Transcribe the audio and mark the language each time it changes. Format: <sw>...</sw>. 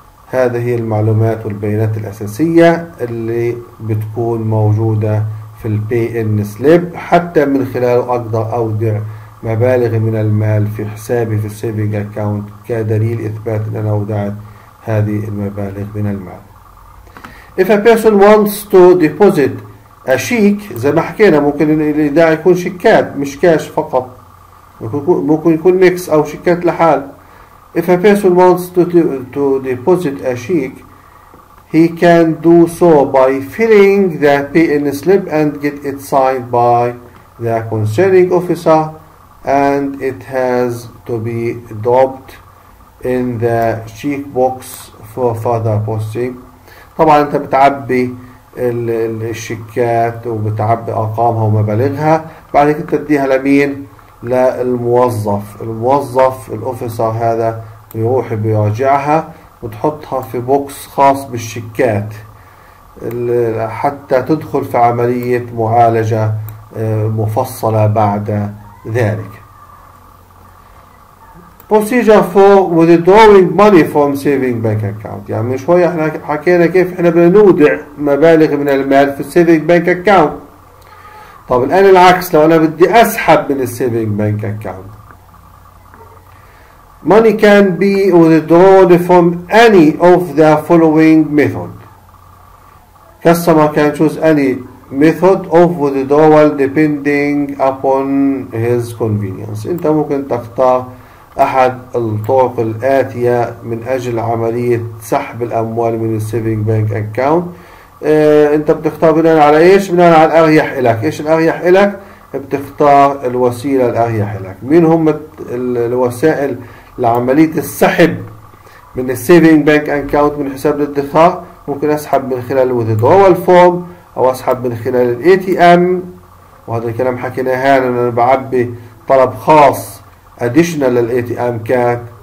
<ar>هذه هي المعلومات والبيانات الاساسية اللي بتكون موجودة في البي ان سليب حتى من خلاله اقدر اودع مبالغ من المال في حسابي في السيفنج اكاونت كدليل اثبات ان انا اودعت هذه المبالغ من المال.</ar> <en>If a person wants to deposit a sheik</en> <ar>زي ما حكينا ممكن الإيداع يكون شيكات مش كاش فقط ممكن يكون ميكس أو شيكات لحال.</ar> <en>If a person wants to deposit a sheik he can do so by filling the PN slip and get it signed by the concerning officer and it has to be dropped in the check box for further posting.</en> <ar>طبعا انت بتعبي الشيكات وبتعبي ارقامها ومبالغها بعد كده تديها لمين؟ للموظف. الموظف الاوفيسر هذا بيروح بيراجعها وتحطها في بوكس خاص بالشيكات حتى تدخل في عملية معالجة مفصلة بعد ذلك.</ar> <en>Procedure for withdrawing money from saving bank account.</en> <ar>يعني من شوية احنا حكينا كيف احنا بنودع مبالغ من المال في saving bank account. طب الآن العكس لو أنا بدي أسحب من saving bank account.</ar> <en>Money can be withdrawn from any of the following method. Customer can choose any method of withdrawal depending upon his convenience.</en> <ar>أنت ممكن تختار أحد الطرق الآتية من أجل عملية سحب الأموال من السيفينج بانك أكاونت. أنت بتختار بناء على إيش؟ بناء على الأريح إلك. إيش الأريح إلك؟ بتختار الوسيلة الأريح إلك. مين هم الوسائل لعملية السحب من السيفينج بانك أكاونت من حساب الادخار؟ ممكن أسحب من خلال الويذدرول فورم أو أسحب من خلال الـ ATM وهذا الكلام حكيناه هان أنا بعبي طلب خاص additional للـ ATM card</ar>